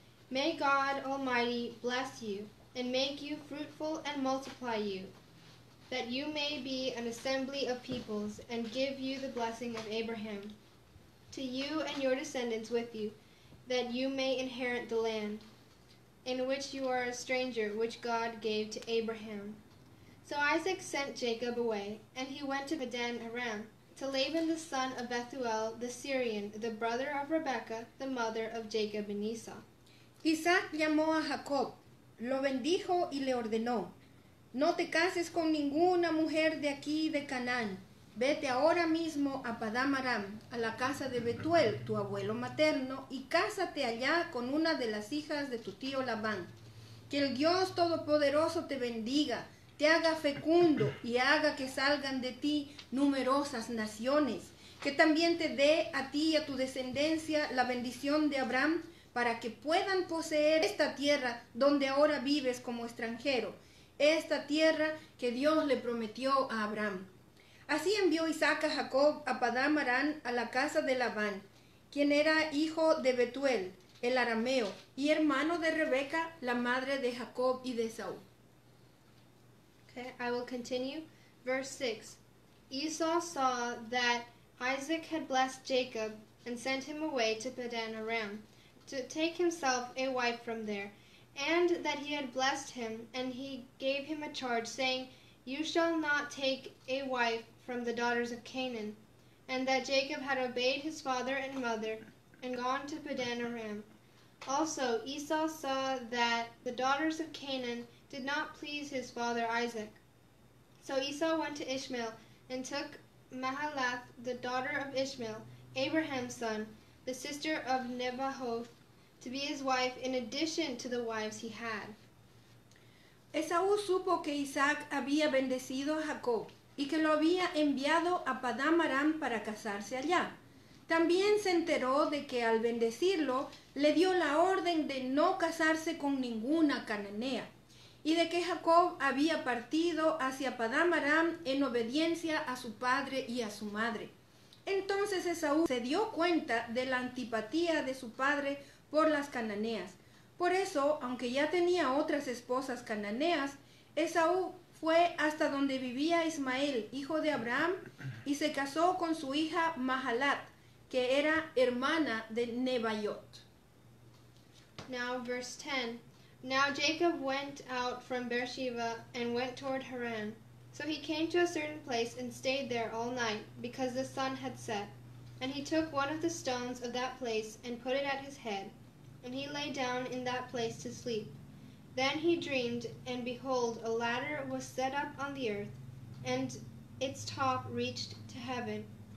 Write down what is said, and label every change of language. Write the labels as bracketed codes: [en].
[en] May God Almighty bless you, and make you fruitful and multiply you, that you may be an assembly of peoples, and give you the blessing of Abraham, to you and your descendants with you, that you may inherit the land, in which you are a stranger, which God gave to Abraham. So Isaac sent Jacob away, and he went to Padan Aram, to Laban the son of Bethuel the Syrian, the brother of Rebekah, the mother of Jacob and Esau. [es] Isaac llamó a Jacob, lo bendijo y le ordenó, No te cases con ninguna mujer de aquí de Canaán. Vete ahora mismo a Padan Aram, a la casa de Betuel, tu abuelo materno, y cásate allá con una de las hijas de tu tío Labán. Que el Dios Todopoderoso te bendiga, te haga fecundo y haga que salgan de ti numerosas naciones. Que también te dé a ti y a tu descendencia la bendición de Abraham, para que puedan poseer esta tierra donde ahora vives como extranjero, esta tierra que Dios le prometió a Abraham. Así envió Isaac a Jacob a Padan Aram a la casa de Labán, quien era hijo de Betuel, el arameo, y hermano de Rebeca, la madre de Jacob y de Esaú. [en] Okay, I will continue. Verse 6. Esau saw that Isaac had blessed Jacob and sent him away to Padan Aram to take himself a wife from there, and that he had blessed him, and he gave him a charge, saying, You shall not take a wife from the daughters of Canaan, and that Jacob had obeyed his father and mother, and gone to Padan Aram. Also Esau saw that the daughters of Canaan did not please his father Isaac. So Esau went to Ishmael, and took Mahalath, the daughter of Ishmael, Abraham's son, the sister of Nebahoth, to be his wife in addition to the wives he had. [es] Esaú supo que Isaac había bendecido a Jacob y que lo había enviado a Padan Aram para casarse allá. También se enteró de que al bendecirlo le dio la orden de no casarse con ninguna cananea y de que Jacob había partido hacia Padan Aram en obediencia a su padre y a su madre. Entonces Esaú se dio cuenta de la antipatía de su padre por las cananeas. Por eso, aunque ya tenía otras esposas cananeas, Esaú fue hasta donde vivía Ismael, hijo de Abraham, y se casó con su hija Mahalat, que era hermana de Nebayot. [en] Now verse 10. Now Jacob went out from Beersheba and went toward Haran. So he came to a certain place and stayed there all night, because the sun had set. And he took one of the stones of that place and put it at his head. And he lay down in that place to sleep. Then he dreamed, and behold, a ladder was set up on the earth, and its top reached to heaven.